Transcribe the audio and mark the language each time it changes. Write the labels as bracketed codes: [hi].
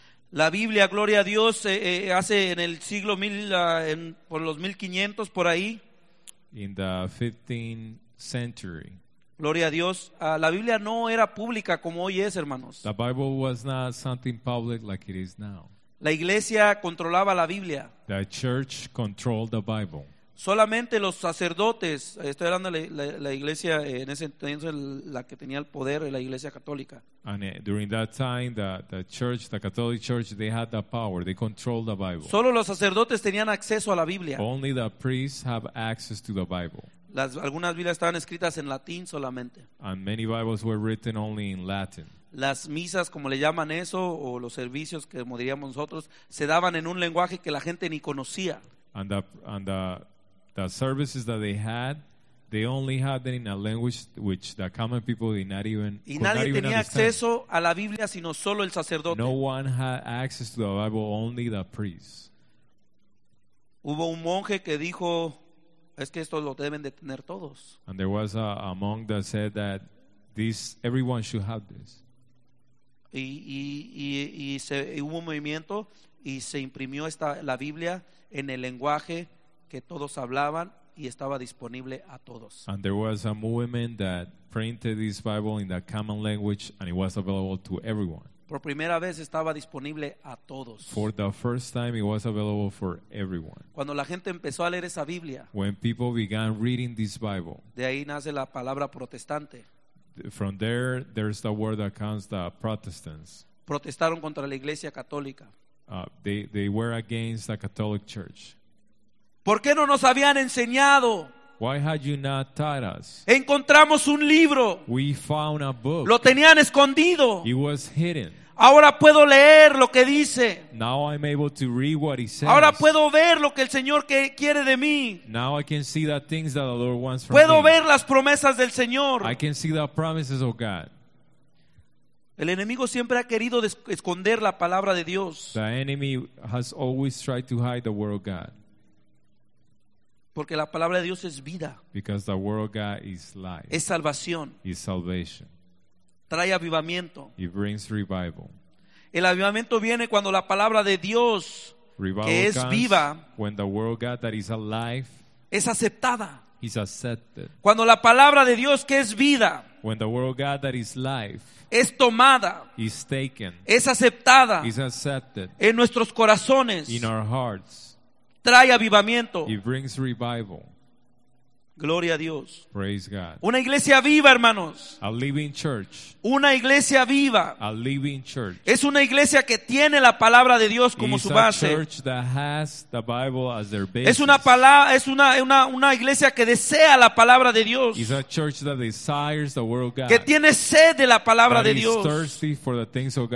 [es] La Biblia, gloria a Dios, hace en el siglo mil, por los 1500 por ahí. [en] In the 15th century. [es] Gloria a Dios. La Biblia no era pública como hoy es, hermanos. [en] The Bible was not something public like it is now. [es] La iglesia controlaba la Biblia. [en] The church controlled the Bible. [es] Solamente los sacerdotes, estoy hablando de la iglesia en ese entonces, la que tenía el poder, la iglesia católica. [en] And during that time, the church, the Catholic Church, they had the power, they controlled the Bible. [es] Solo los sacerdotes tenían acceso a la Biblia. [en] Only the priests have access to the Bible. [es] Algunas Biblias estaban escritas en latín solamente. [en] And many Bibles were written only in Latin. [es] Las misas, como le llaman eso, o los servicios que diríamos nosotros, se daban en un lenguaje que la gente ni conocía. [en] And the services that they had, they only had them in a language which the common people did not even understand. [es] Y nadie tenía Acceso a la Biblia sino solo el sacerdote. [en] No one had access to the Bible, only the priest. [es] Hubo un monje que dijo, es que esto lo deben de tener todos. [en] And there was a monk that said that this everyone should have this. [es] Y hubo un movimiento y se imprimió la Biblia en el lenguaje que todos hablaban y estaba disponible a todos. [en] And there was a movement that printed this Bible in the common language and it was available to everyone. [es] Por primera vez estaba disponible a todos. [en] For the first time it was available for everyone. [es] Cuando la gente empezó a leer esa Biblia. [en] When people began reading this Bible. [es] De ahí nace la palabra protestante. [en] From there's the word that comes the Protestants. [es] Protestaron contra la iglesia católica. [en] They were against the Catholic Church. [es] ¿Por qué no nos habían enseñado? [en] Why had you not taught us? [es] Encontramos un libro. [en] We found a book. [es] Lo tenían escondido. [en] It was hidden. [es] Ahora puedo leer lo que dice. [en] Now I'm able to read what he says. [es] Ahora puedo ver lo que el Señor quiere de mí. [en] Now I can see the things that the Lord wants from [es] puedo [en] me. [es] Ver las promesas del Señor. [en] I can see the promises of God. [es] El enemigo siempre ha querido esconder la palabra de Dios. [en] The enemy has always tried to hide the word of God. [es] Porque la palabra de Dios es vida. [en] Because the word of God is life. [es] Es salvación. [en] Is salvation. [es] Trae avivamiento. [en] It brings revival. [es] El avivamiento viene cuando la palabra de Dios, [en] revival [es] que es viva, [en] when the word of God that is alive, [es] es aceptada. [en] Is accepted. [es] Cuando la palabra de Dios que es vida, [en] when the word of God that is life, [es] es tomada, [en] is taken, [es] es aceptada, [en] is accepted, [es] en nuestros corazones, [en] in our hearts. [es] Trae avivamiento. [en] It brings revival. [es] Gloria a Dios. [en] Praise God. [es] Una iglesia viva, hermanos. [en] A living church. [es] Una iglesia viva. [en] A living church. [es] Es una iglesia que tiene la palabra de Dios como [en] it's [es] su base. [en] A church that has the Bible as their basis. [es] Es una palabra, es una iglesia que desea la palabra de Dios. [en] It's a church that desires the word of God. [es] Que tiene sed de la palabra [en] that [es] de Dios. [en] That is thirsty for the things of God.